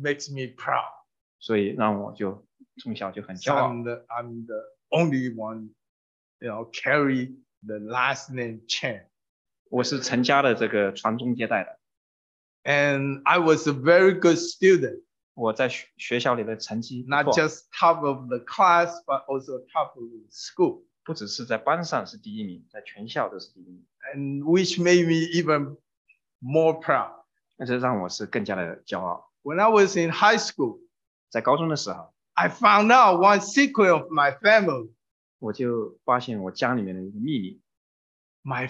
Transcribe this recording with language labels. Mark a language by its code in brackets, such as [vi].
[en] makes me proud. [zh] 所以让我就从小就很骄傲。 [en] So I'm the only one. Carry the last name Chen. [zh] 我是陈家的这个传宗接代的。 [en] And I was a very good student. [zh] 我在学校里的成绩不错。 [en] Not just top of the class, but also top of the school. [zh] 不只是在班上是第一名，在全校都是第一名。 [en] And which made me even more proud. [zh] 那是让我是更加的骄傲。 [en] When I was in high school, [zh] 在高中的时候, [en] I found out one secret of my family. [zh] 我就发现我家里面的一个秘密。 [en] My